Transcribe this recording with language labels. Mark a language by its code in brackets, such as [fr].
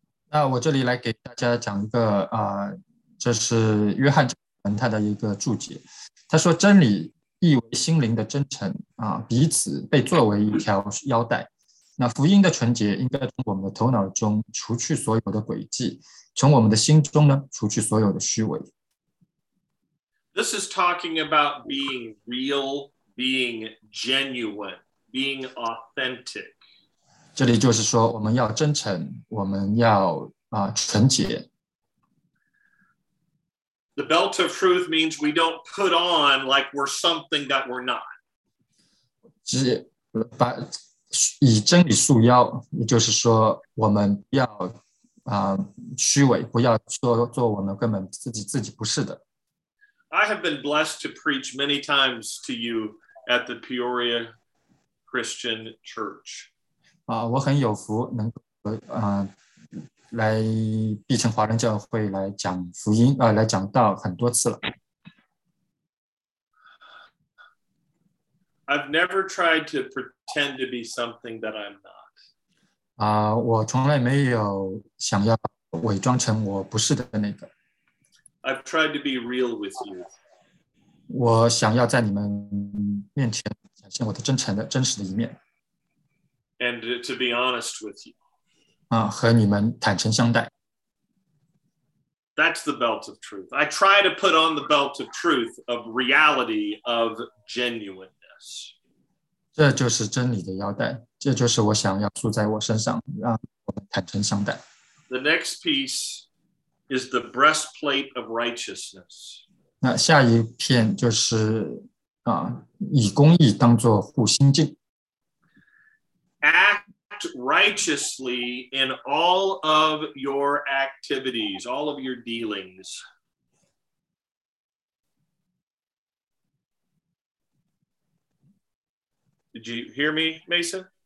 [zh] 那我这里来给大家讲一个这是约翰加尔文他的一个注解。他说真理意为心灵的真诚彼此被作为一条腰带。那福音的纯洁应该从我们的头脑中除去所有的诡计，从我们的心中呢除去所有的虚伪。 [en] This is talking about being real, being genuine. being authentic. [zh] 这里就是说我们要真诚，我们要纯洁。 [en] The belt of truth means we don't put on like we're something that we're not. [zh] 以真理束腰，也就是说我们不要虚伪，不要做我们根本自己不是的。 [en] I have been blessed to preach many times to you at the Peoria Christian Church. [zh] 我很有福能够来毕城华人教会来讲福音来讲道很多次了。 [en] I've never tried to pretend to be something that I'm not. [zh] 我从来没有想要伪装成我不是的那个。 [en] I've tried to be real with you. [zh] 我想要在你们面前展现我的真实的一面。 [en] And to be honest with you. [zh] 和你们坦诚相待。 [en] That's the belt of truth. I try to put on the belt of truth of reality, of genuineness. [zh] 这就是真理的腰带，这就是我想要束在我身上，让我们坦诚相待。 [en] The next piece is the breastplate of righteousness. [zh] 那下一片就是以公义当作护心镜。 [en] Act righteously in all of your activities, all of your dealings. Did you hear me, Mason?